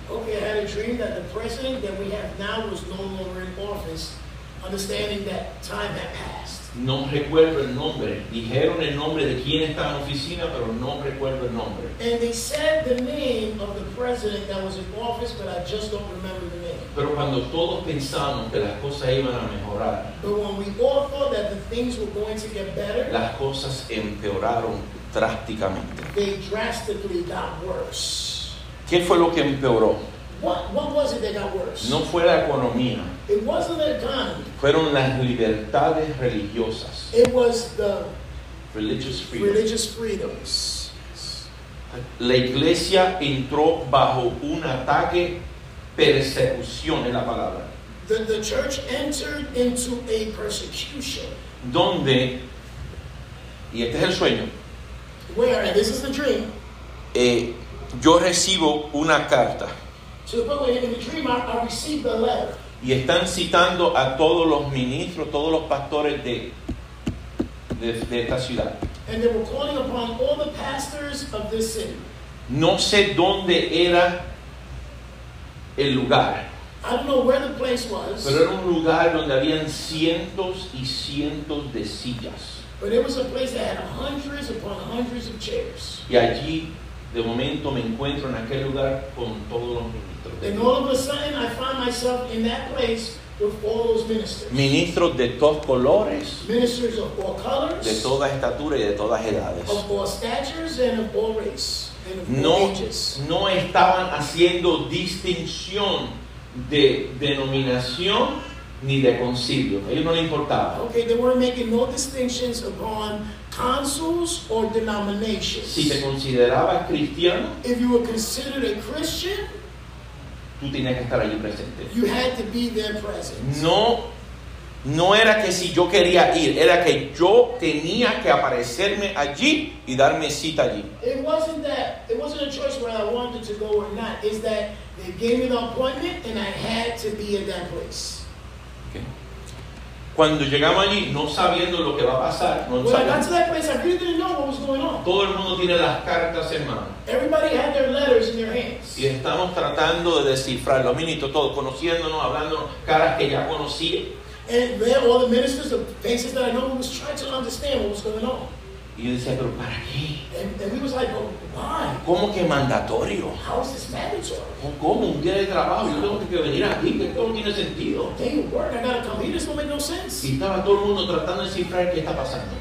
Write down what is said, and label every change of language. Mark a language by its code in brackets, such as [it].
[en] Okay, I had a dream that the president that we have now was no longer in office, understanding that time had passed. [es] No recuerdo el nombre. Dijeron el nombre de quien estaba en oficina, pero no recuerdo el nombre. [en] And they said the name of the president that was in office, but I just don't remember the name. [es] Pero cuando todos pensamos que las cosas iban a mejorar, [en] but when we all thought that the things were going to get better, [es] las cosas empeoraron drásticamente. [en] They drastically got worse. [es] ¿Qué fue lo que empeoró? [en] What was it that got worse? [es] No fue la economía. [en] It wasn't the economy. [es] Fueron las libertades religiosas. [en] It was the religious freedom. Religious freedoms. [es] La iglesia entró bajo un ataque. Persecución es la palabra. [en] The church entered into a persecution. [es] Donde, y este es el sueño. [en] Where, this is the dream. [es] Yo recibo una carta. [en] So, in the dream, I received a letter. [es] Y están citando a todos los ministros, todos los pastores de esta ciudad. [en] And they were calling upon all the pastors of this city. [es] No sé dónde era el lugar. [en] I don't know where the place was. [es] Pero era un lugar donde habían cientos y cientos de sillas. [en] But it was a place that had hundreds upon hundreds of chairs. [es] Y allí, de momento, me encuentro en aquel lugar con todos los ministros. [en] And all of a sudden, I find myself in that place with all those ministers. [es] Ministros de todos colores. [en] Ministers of all colors. [es] De toda estatura y de todas edades. [en] Of all statures and of all races. [es] No estaban haciendo distinción de denominación ni de concilio. A ellos no les importaba. [en] Okay, they weren't making no distinctions upon councils or denominations. [es] Si te considerabas cristiano, [en] if you were considered a Christian, [es] tú tenías que estar allí presente. [en] You had to be there present. [es] No era que si yo quería ir, era que yo tenía que aparecerme allí y darme cita allí. [en] It wasn't a choice whether I wanted to go or not. It's that they gave me the appointment and I had to be in that place. Okay. [es] Cuando llegamos allí, no sabiendo lo que va a pasar, no [en] when [es] sabiendo. [en] When I got to that place, I really didn't know what was going on. [es] Todo el mundo tiene las cartas en mano. [en] Everybody had their letters in their hands. [es] Y estamos tratando de descifrar los ministros todos, conociéndonos, hablando caras que ya conocí. [en] And there, all the ministers, the faces that I know, was trying to understand what was going on. [es] Y yo decía, ¿pero para qué? [en] And we was like, oh, why? [es] ¿Cómo que mandatorio? [en] How is this mandatory? [es] ¿Cómo? Un día de trabajo, yo tengo que venir aquí, esto no tiene sentido. [en] Day of work, I gotta come here, this don't make no sense. [es] Y estaba todo el mundo tratando de cifrar qué está pasando.